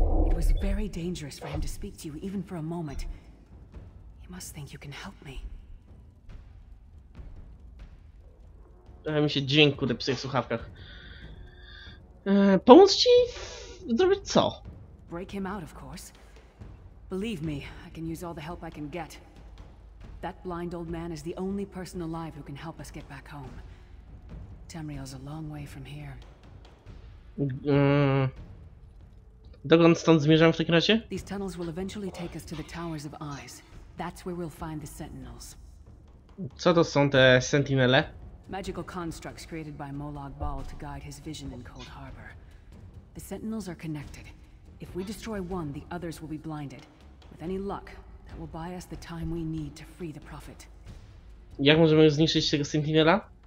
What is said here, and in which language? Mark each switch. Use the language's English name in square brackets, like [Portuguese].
[English] It was very dangerous for him to speak to you even for a moment. He must think you can help me. [Polish] Daje mi się dźwięk kurde w tych słuchawkach. Pomóc ci? Zrobić co? [English] Break him out, of course. Believe me, I can use all the help I can get. That blind old man is the only person alive who can help us get back home. Tamriel's a long way from here. [Polish] Dokąd stąd zmierzam w takim razie? [English] These tunnels will eventually take us to the Towers of Eyes. That's where we'll find the Sentinels. [Polish] Co to są te sentinele? [English] Magical constructs created by Molag Bal to guide his vision in Cold Harbor. The Sentinels are connected. If we destroy one, the others will be blinded. With any luck, that will buy us the time we need to free the Prophet. [Polish] Jak możemy zniszczyć tego sentinela?